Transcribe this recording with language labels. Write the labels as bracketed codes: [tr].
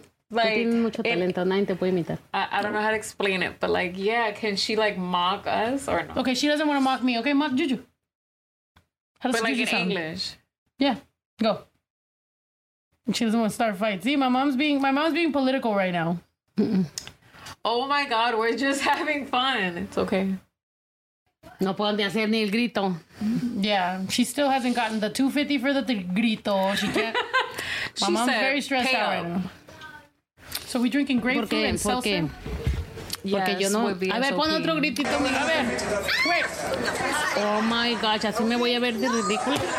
[es] tú tienes mucho talento, nadie te puede imitar. [en] I don't know how to explain it, but like, yeah, can she like mock us or no? Okay, she doesn't want to mock me. Okay, mock Juju. How does but Juju like in sound? English. Yeah, go. She doesn't want to start a fight. See, my mom's being political right now. Oh my God, we're just having fun. It's okay. [es] No puedo ni hacer ni el grito. [en] Yeah, she still hasn't gotten the 250 for the grito. She can't. She my mom's said, very stressed out. So we drinking grapefruit and seltzer. [es] Porque yes, yo no. A ver, pon otro gritito, mira. A ver. Wait. [en] Oh my gosh, [es] así me voy a ver de ridículo.